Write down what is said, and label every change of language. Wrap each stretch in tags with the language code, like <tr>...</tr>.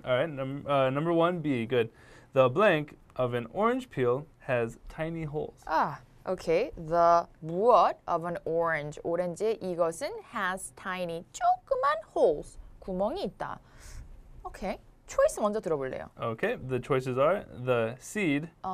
<en>All right, number one, B, good. The blank of an orange peel has tiny holes. Ah. Okay, the what of an orange?</en> <ko>오렌지 이것은 has tiny, 조그만 holes, 구멍이 있다.</ko> <en>Okay, choice</en> <ko>먼저 들어볼래요.</ko> <en>Okay, the choices are the seed.</en>